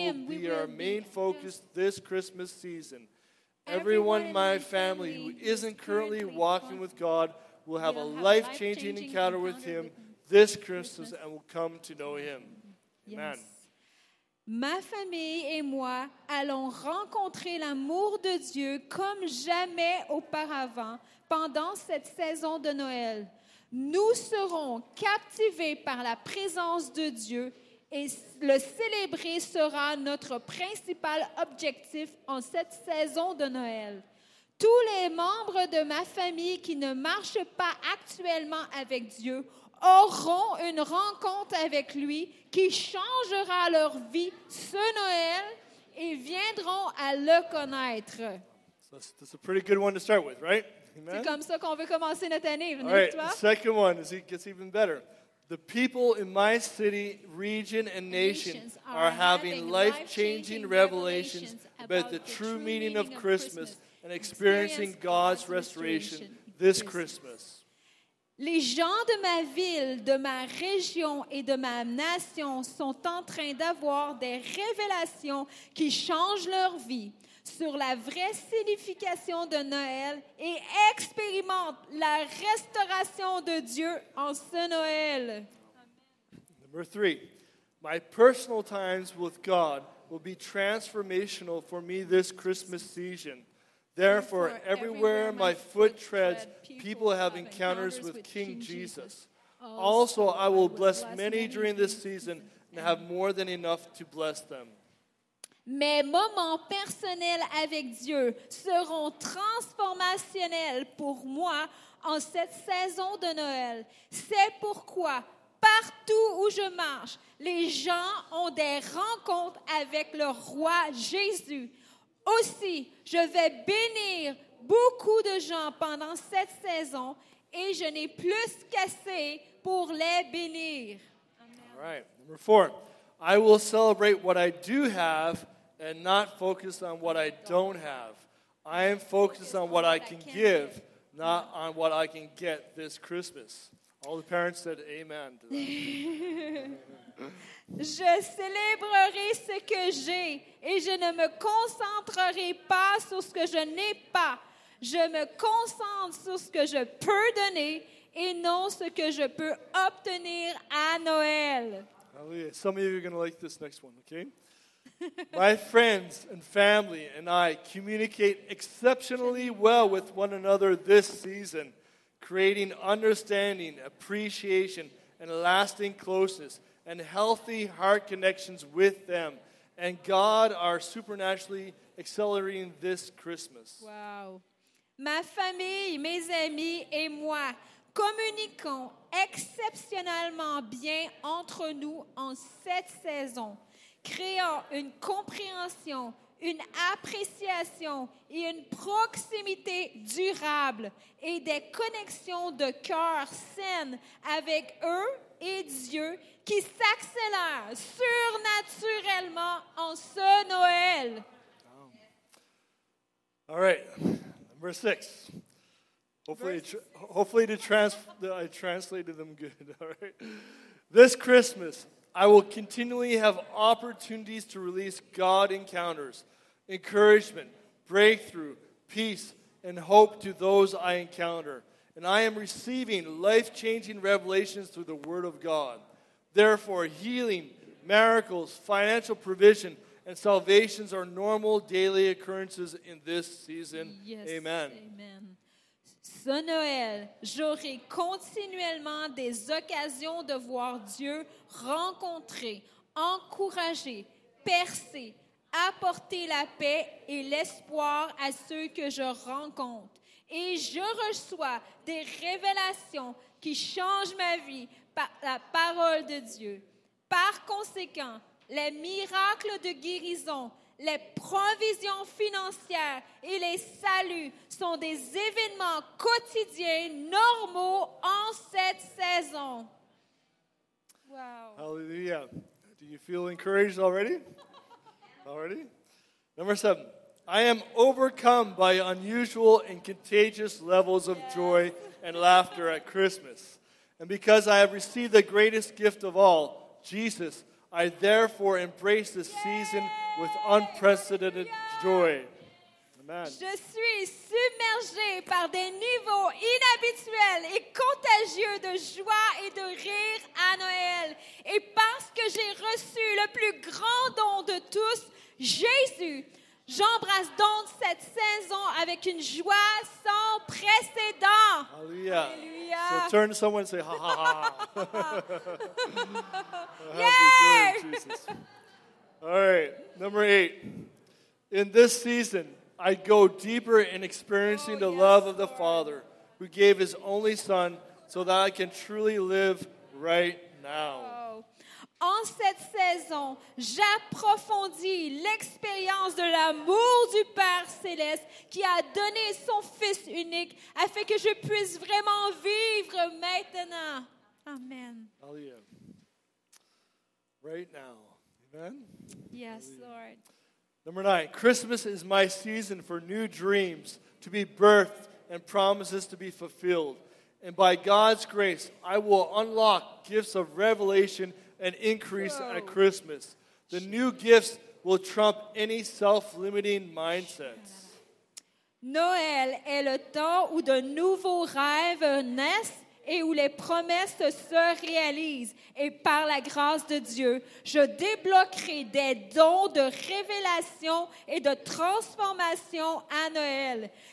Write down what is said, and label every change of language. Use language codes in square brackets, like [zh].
[en] We will be captivated by God's presence and celebrating Him will be our main focus this Christmas season. Everyone in my family who isn't currently walking with God will have a life-changing encounter with Him this Christmas and will come to know Him. Amen. Yes. [fr] Ma famille et moi allons rencontrer l'amour de Dieu comme jamais auparavant pendant cette saison de Noël. Nous serons captivés par la présence de Dieu et le célébrer sera notre principal objectif en cette saison de Noël. Tous les membres de ma famille qui ne marchent pas actuellement avec Dieu auront une rencontre avec lui qui changera leur vie ce Noël et viendront à le connaître. [en] So that's a pretty good one to start with, right? Amen. [fr] C'est comme ça qu'on veut commencer notre année, n'est-ce pas? [en] All right, the second one is, it gets even better. The people in my city, region, and nation are having life-changing revelations about the true meaning of Christmas and experiencing God's restoration this Christmas. [fr] Les gens de ma ville, de ma région et de ma nation sont en train d'avoir des révélations qui changent leur vie sur la vraie signification de Noël et expérimentent la restauration de Dieu en ce Noël. [en] Number three, my personal times with God will be transformational for me this Christmas season. Therefore, everywhere my foot treads, people have encounters with King Jesus. Also, I will bless many during this season and have more than enough to bless them. [fr] Mes moments personnels avec Dieu seront transformationnels pour moi en cette saison de Noël. C'est pourquoi, partout où je marche, les gens ont des rencontres avec le roi Jésus. Aussi, je vais bénir beaucoup de gens pendant cette saison et je n'ai plus qu'assez pour les bénir. [en] All right. Number four. I will celebrate what I do have and not focus on what I don't have. I am focused on what I can give, not on what I can get this Christmas. All the parents said amen to that. [fr] Je célébrerai ce que j'ai et je ne me concentrerai pas sur ce que je n'ai pas. Je me concentre sur ce que je peux donner et non ce que je peux obtenir à Noël. [en] Hallelujah. Some of you are going to like this next one, okay? My friends and family and I communicate exceptionally well with one another this season, creating understanding, appreciation, and lasting closeness and healthy heart connections with them. And God are supernaturally accelerating this Christmas. Wow. [fr] Ma famille, mes amis et moi communiquons exceptionnellement bien entre nous en cette saison, créant une compréhension, une appréciation et une proximité durable et des connexions de cœur saines avec eux et Dieu qui s'accélère surnaturellement en ce Noël. [en] Oh. All right, number six. Hopefully I translated them good. All right. This Christmas, I will continually have opportunities to release God encounters, encouragement, breakthrough, peace, and hope to those I encounter. And I am receiving life-changing revelations through the Word of God. Therefore, healing, miracles, financial provision, and salvations are normal daily occurrences in this season. Yes, amen. Amen. [fr] Ce Noël, j'aurai continuellement des occasions de voir Dieu rencontrer, encourager, percer, apporter la paix et l'espoir à ceux que je rencontre. Et je reçois des révélations qui changent ma vie par la parole de Dieu. Par conséquent, les miracles de guérison, les provisions financières et les saluts sont des événements quotidiens normaux en cette saison. [en] Wow. Hallelujah. Do you feel encouraged already? Already? Number seven. I am overcome by unusual and contagious levels of joy and laughter at Christmas. And because I have received the greatest gift of all, Jesus, I therefore embrace this season with unprecedented joy. Amen. [fr] Je suis submergé par des niveaux inhabituels et contagieux de joie et de rire à Noël. Et parce que j'ai reçu le plus grand don de tous, Jésus, j'embrasse donc cette saison avec une joie sans précédent. [en] Hallelujah. So turn to someone and say, ha, ha, ha. Yay! All right, number eight. In this season, I go deeper in experiencing the love of the Father who gave his only Son so that I can truly live right now. [fr] En cette saison, j'approfondis l'expérience de l'amour du Père céleste qui a donné son Fils unique afin que je puisse vraiment vivre maintenant. [en] Amen. Hallelujah. Right now. Amen. Yes, Hallelujah. Lord. Number nine. Christmas is my season for new dreams to be birthed and promises to be fulfilled. And by God's grace, I will unlock gifts of revelation an increase at Christmas. The new gifts will trump any self-limiting mindsets. [fr] Noël est le temps où de nouveaux rêves naissent et où les promesses se réalisent. Et par la grâce de Dieu, je débloquerai des dons de révélation et de transformation à Noël.